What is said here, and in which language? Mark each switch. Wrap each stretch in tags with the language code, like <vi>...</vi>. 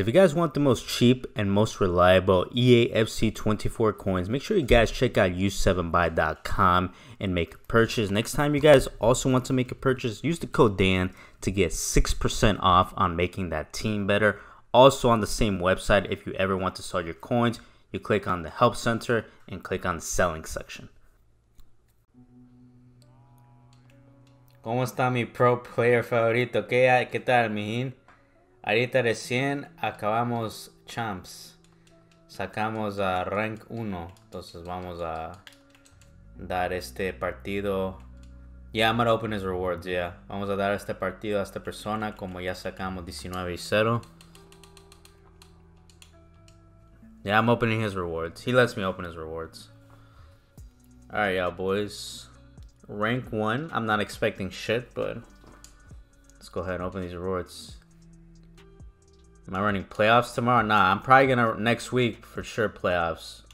<en>If you guys want the most cheap and most reliable EAFC 24 coins, make sure you guys check out u7buy.com and make a purchase. Next time you guys also want to make a purchase, use the code Dan to get 6% off on making that team better. Also on the same website, if you ever want to sell your coins, you click on the help center and click on the selling section.</en> <es>¿Cómo está mi pro player favorito? ¿Qué hay? ¿Qué tal, mijín? Ahorita recién acabamos champs. Sacamos a rank 1. Entonces vamos a dar este partido.</es> <en>Yeah, I'm gonna open his rewards, yeah.</en> <es>Vamos a dar este partido a esta persona como ya sacamos 19-0.</es> <en>Yeah, I'm opening his rewards. He lets me open his rewards. Alright, y'all boys. Rank 1. I'm not expecting shit, but let's go ahead and open these rewards. Am I running playoffs tomorrow? Nah, I'm probably gonna next week for sure playoffs.</en>